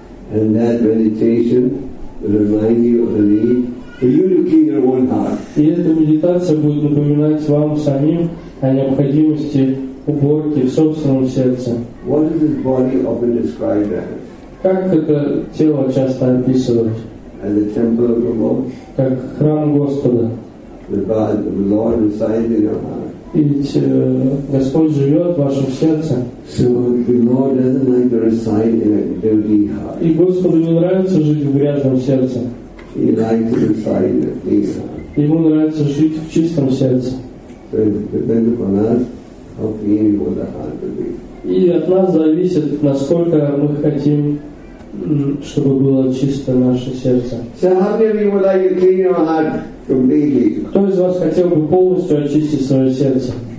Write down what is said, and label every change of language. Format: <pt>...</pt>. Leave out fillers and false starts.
<ru>И эта медитация будет напоминать вам самим о необходимости уборки в собственном сердце.</ru> <en>What is this body often described as?</en> <ru>Как это тело часто описывают?</ru> <en>As the temple of the Lord.</en> <ru>Как храм Господа.</ru> <en>The God, the Lord inside in your heart.</en> <ru>Ведь Господь живет в вашем сердце.</ru> <en>So the Lord doesn't like to reside in a dirty heart.</en> <ru>И Господу не нравится жить в грязном сердце.</ru> <en>He likes to reside in a clean heart.</en> <ru>Ему нравится жить в чистом сердце.</ru> <en>So it depends upon us how clean we want the heart to be.</en> <ru>И от нас зависит, насколько мы хотим, чтобы было чисто наше сердце.</ru> <en>So how many of you would like to clean your heart completely?</en> <ru>Кто из вас хотел бы полностью очистить свое сердце?</ru>